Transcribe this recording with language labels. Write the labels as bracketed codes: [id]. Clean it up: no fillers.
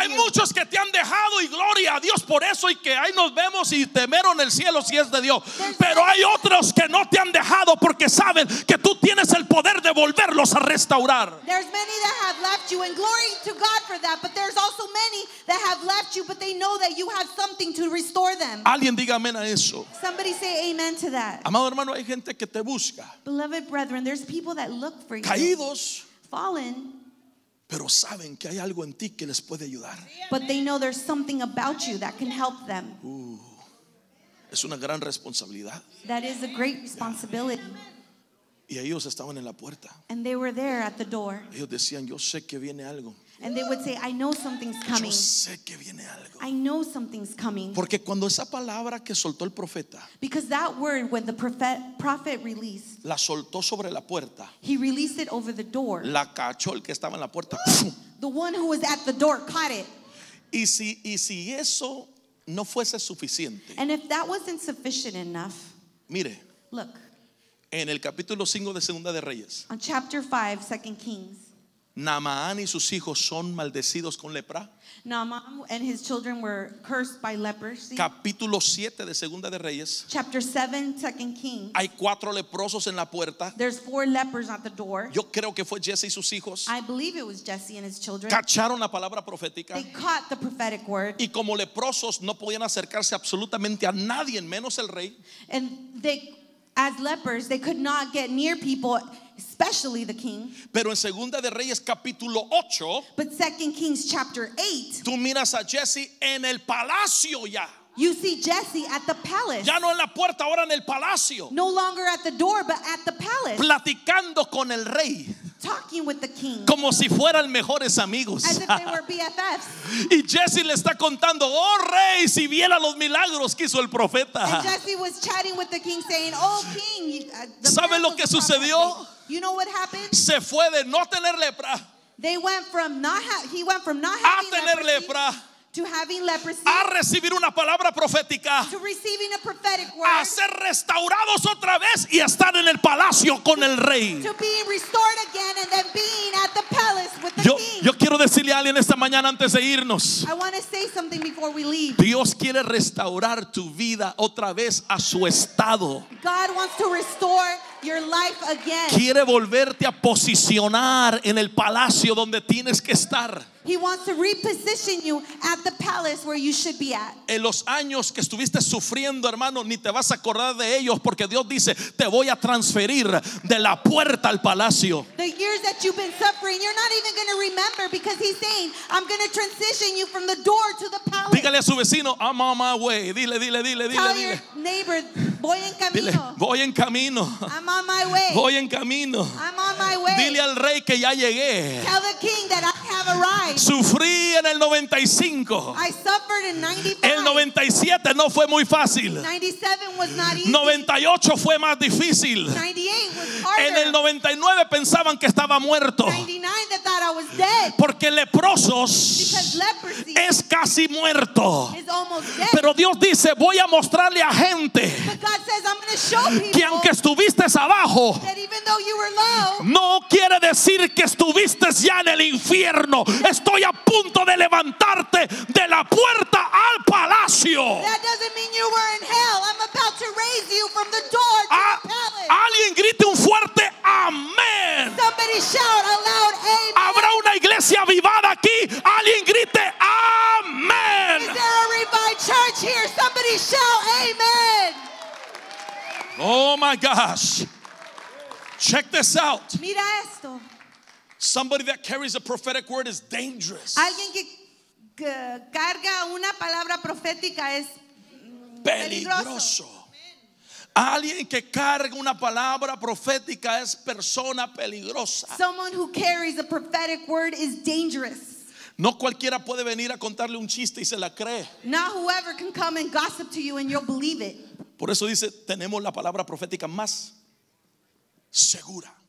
[es] Hay muchos que te han dejado y gloria a Dios por eso y que ahí nos vemos y te mero en el cielo si es de Dios. Pero hay otros que no te han dejado porque saben que tú tienes el poder de volverlos a restaurar. [en] There's many that have left you, and glory to God for that, but there's also many that have left you, but they know that you have something to restore them. [es] Alguien diga amén a eso. [en] Somebody say amen to that. [es] Amado hermano, hay gente que te busca. [en] Beloved brethren, there's people that look for you. [es] Caídos. [en] Fallen. [es] Pero saben que hay algo en ti que les puede ayudar. [en] But they know there's something about you that can help them. [es] Es una gran responsabilidad. [en] That is a great responsibility. [es] Y ellos estaban en la puerta. [en] And they were there at the door. [es] Ellos decían, yo sé que viene algo. [en] And they would say, I know something's coming. [es] Yo sé que viene algo. [en] I know something's coming. [es] Porque cuando esa palabra que soltó el profeta. [en] Because that word when the prophet released. [es] La soltó sobre la puerta. [en] He released it over the door. [es] La cachó el que estaba en la puerta. [en] The one who was at the door caught it. [es] Y si eso no fuese suficiente. [en] And if that wasn't sufficient enough. [es] Mire. [en] Look. [es] En el capítulo 5 de Segunda de Reyes. [en] On chapter 5, 2 Kings. [es] Naamán y sus hijos son maldecidos con lepra. [en] Naamán and his children were cursed by leprosy. [es] Capítulo 7 de Segunda de Reyes. [en] Chapter 7, Second Kings. [es] Hay cuatro leprosos en la puerta. [en] There's four lepers at the door. [es] Yo creo que fue Jesse y sus hijos. [en] I believe it was Jesse and his children. [es] Cacharon la palabra profética. [en] They caught the prophetic word. [es] Y como leprosos no podían acercarse absolutamente a nadie menos el rey. [en] And they, as lepers, they could not get near people, especially the king. [es] Pero en Segunda de Reyes capítulo 8, [en] but Second Kings chapter 8, [es] tú miras a Jesse en el palacio ya. [en] You see Jesse at the palace. [es] Ya no en la puerta, ahora en el palacio. [en] No longer at the door, but at the palace. [es] Platicando con el rey. [en] Talking with the king. [es] Como si fueran mejores amigos. [en] As if they were BFFs. [es] Y Jesse le está contando, oh rey, si viera los milagros que hizo el profeta. [en] And Jesse was chatting with the king saying, oh king, [es] ¿sabe lo que sucedió? [en] You know what happened? [es] Se fue de no tener lepra. [en] They went from not having [es] a tener lepra. [en] To having leprosy. [es] A recibir una palabra profética. [en] To receiving a prophetic word. [es] A ser restaurados otra vez y estar en el palacio con el rey. [en] To be restored again and then being at the palace with the king. [es] Yo quiero decirle a alguien esta mañana antes de irnos. [en] I want to say something before we leave. [es] Dios quiere restaurar tu vida otra vez a su estado. [en] God wants to restore your life again. [es] Quiere volverte a posicionar en el palacio donde tienes que estar. [en] He wants to reposition you at the palace where you should be at. [es] En los años que estuviste sufriendo, hermano, ni te vas a acordar de ellos porque Dios dice, te voy a transferir de la puerta al palacio. [en] The years that you've been suffering, you're not even going to remember because he's saying, I'm going to transition you from the door to the palace. [es] Dígale a su vecino, [en] I'm on my way. [es] Dile. [en] Tell your neighbor, [es] voy en camino. Dile, voy en camino. [en] I'm on my way. [es] Voy en camino. [en] I'm on my way. [es] Dile al rey que ya llegué. [en] Tell the king that I have arrived. [es] Sufrí en el 95. [en] I suffered in 95. [es] El 97 no fue muy fácil. [en] 97 was not easy. [es] 98 fue más difícil. [en] 98 was harder. [es] En el 99 pensaban que estaba muerto. [en] 99 they thought I was dead. [es] Porque leprosos, [en] because leprosy [es] es casi muerto. [en] Is almost dead. [es] Pero Dios dice, voy a mostrarle a gente, [en] but God says, I'm gonna show people, [es] que aunque estuviste abajo, [en] that even though you were low, [es] no quiere decir que estuviste ya en el infierno. Estoy a punto de levantarte de la puerta al palacio. [en] That doesn't mean you were in hell. I'm about to raise you from the door to the palace. [es] Alguien grite un fuerte amén. [en] Somebody shout aloud amen. [es] Habrá una iglesia avivada aquí. Alguien grite amén. [en] Is there a revived church here? Somebody shout amen. Oh my gosh. Check this out. [es] Mira esto. [en] Somebody that carries a prophetic word is dangerous. [es] Alguien que carga una palabra profética es peligroso. Alguien que carga una palabra profética es persona peligrosa. [en] Someone who carries a prophetic word is dangerous. [es] No cualquiera puede venir a contarle un chiste y se la cree. [en] Not whoever can come and gossip to you and you'll believe it. [es] Por eso dice, tenemos la palabra profética más segura.